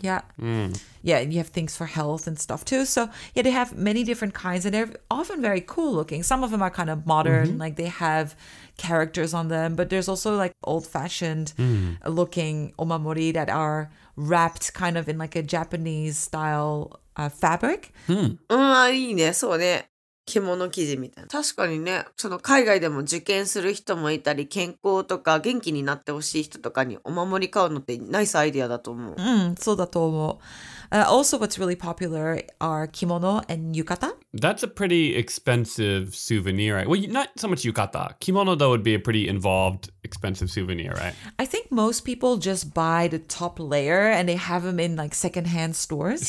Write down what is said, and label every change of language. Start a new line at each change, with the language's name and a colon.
English: Yeah.、Yeah, and you have things for health and stuff too. So yeah, they have many different kinds and they're often very cool looking. Some of them are kind of modern,、mm-hmm. like they have characters on them, but there's also like old fashioned、looking omamori that are wrapped kind of in like a Japanese style,fabric?
Japanese: いいね、そうね。着物生地みたいな。確かにね、その海外でも受験する人もいたり、健康とか元気になってほしい人とかにお守り買うのってナイスアイデアだと思う。うん、そうだと思う。
English: Also, what's really popular are kimono and yukata. That's a pretty expensive souvenir. Well, not so much yukata. Kimono, though, would be a pretty involved expensive souvenir, right? I think most people just buy the top layer and they have them in like secondhand stores.